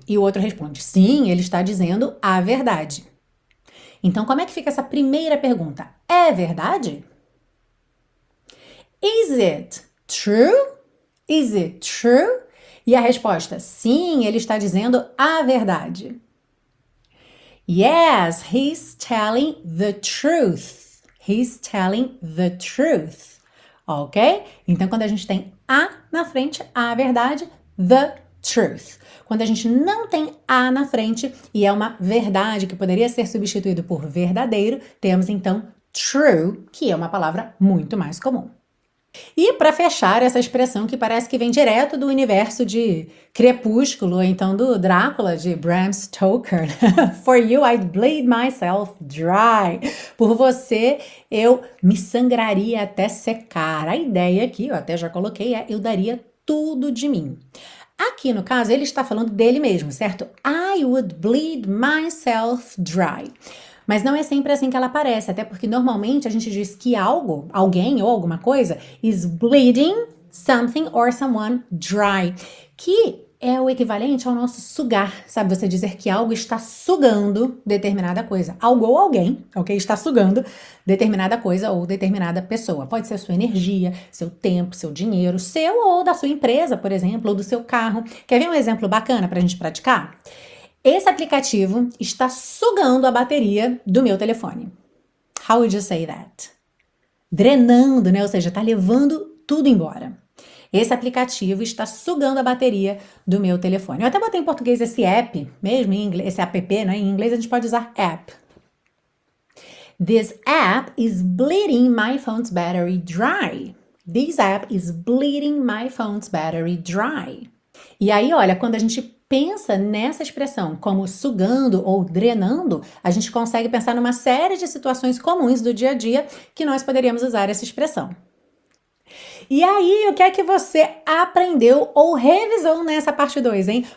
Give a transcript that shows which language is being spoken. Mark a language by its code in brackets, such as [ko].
[pt] E o outro responde: sim, ele está dizendo a verdade. Então, como é que fica essa primeira pergunta? É verdade? [en] Is it true? Is it true? [pt] E a resposta: sim, ele está dizendo a verdade. [en] Yes, he's telling the truth. He's telling the truth. Ok? [pt] Então, quando a gente tem a na frente, a verdade, the truth. Quando a gente não tem a na frente e é uma verdade que poderia ser substituído por verdadeiro, temos então true, que é uma palavra muito mais comum. E para fechar essa expressão que parece que vem direto do universo de Crepúsculo, ou então do Drácula de Bram Stoker, [en] For you, I'd bleed myself dry. [pt] Por você, eu me sangraria até secar. A ideia aqui, eu até já coloquei, é eu daria tudo de mim. Aqui no caso, ele está falando dele mesmo, certo? [en] I would bleed myself dry. [pt] Mas não é sempre assim que ela aparece, até porque normalmente a gente diz que algo, alguém ou alguma coisa, [en] is bleeding something or someone dry. [pt] Que é o equivalente ao nosso sugar, sabe? Você dizer que algo está sugando determinada coisa. Algo ou alguém, ok? Está sugando determinada coisa ou determinada pessoa. Pode ser sua energia, seu tempo, seu dinheiro, seu ou da sua empresa, por exemplo, ou do seu carro. Quer ver um exemplo bacana pra gente praticar? Esse aplicativo está sugando a bateria do meu telefone. [en] How would you say that? [pt] Drenando, né? Ou seja, está levando tudo embora. Esse aplicativo está sugando a bateria do meu telefone. Eu até botei em português esse app, mesmo em inglês, esse app, né? Em inglês a gente pode usar app. [en] This app is bleeding my phone's battery dry. This app is bleeding my phone's battery dry. [pt] E aí, olha, quando a gente pensa nessa expressão como sugando ou drenando, a gente consegue pensar numa série de situações comuns do dia a dia que nós poderíamos usar essa expressão. E aí, o que é que você aprendeu ou revisou nessa parte 2, hein?